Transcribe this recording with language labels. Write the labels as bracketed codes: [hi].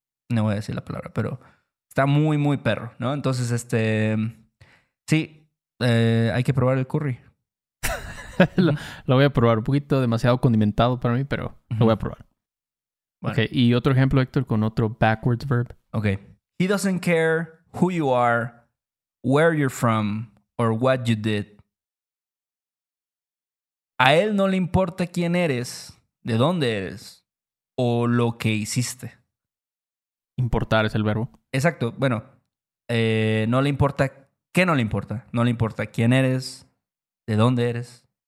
[es] No voy a decir la palabra, pero está muy, muy perro, ¿no? Entonces, sí, hay que probar el curry. lo voy a probar. Un poquito demasiado condimentado para mí, pero lo voy a probar. Bueno. Ok, y otro ejemplo, Héctor, con otro [en] backwards verb. [es] Ok. [en] He doesn't care who you are, where you're from, or what you did. [es] A él no le importa quién eres, de dónde eres, o lo que hiciste. Importar es el verbo. Exacto. Bueno, no le importa... ¿Qué no le importa? No le importa quién eres, de dónde eres.